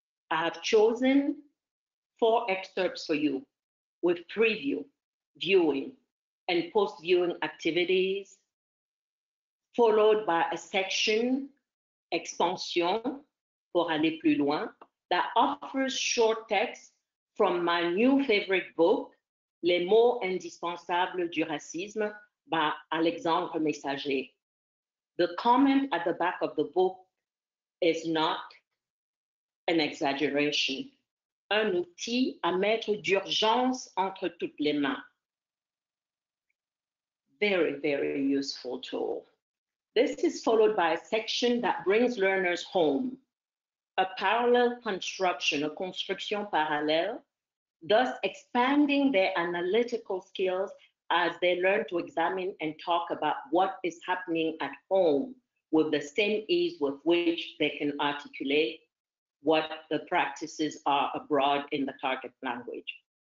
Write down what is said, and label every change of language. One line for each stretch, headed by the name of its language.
English: I have chosen four excerpts for you, with preview, viewing, and post-viewing activities, followed by a section, expansion,
French: pour aller plus loin,
English: that offers short texts from my new favorite book,
French: Les mots indispensables du racisme,
English: by Alexandre Messager. The comment at the back of the book is not an exaggeration.
French: Un outil à mettre d'urgence entre toutes les mains.
English: Very, very useful tool. This is followed by a section that brings learners home, a parallel construction, a
French: construction parallèle,
English: thus expanding their analytical skills as they learn to examine and talk about what is happening at home with the same ease with which they can articulate what the practices are abroad in the target language.